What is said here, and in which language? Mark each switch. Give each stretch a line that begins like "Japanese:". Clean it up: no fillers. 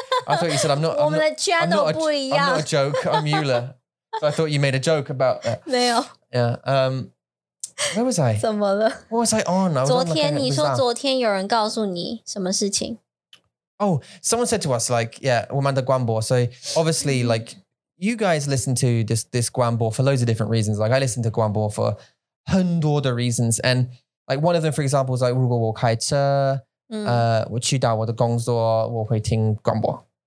English: I thought you said I'm not a joke. I'm Yula. So I thought you made a joke about that.
Chinese: 没有。
English: Yeah. Where was I?
Chinese: 怎么了?
English: What was I on?
Chinese: 昨天你说昨天有人告诉你什么事情?
English: Oh, someone said to us like, yeah,
Chinese: 我们的广播.
English: So obviously like you guys listen to this 广播 for loads of different reasons. Like I listen to 广播 for
Chinese: 很多的
English: reasons. And like one of them, for example, is like
Chinese: 如果我开车, 我去到我的工作,我会听广播.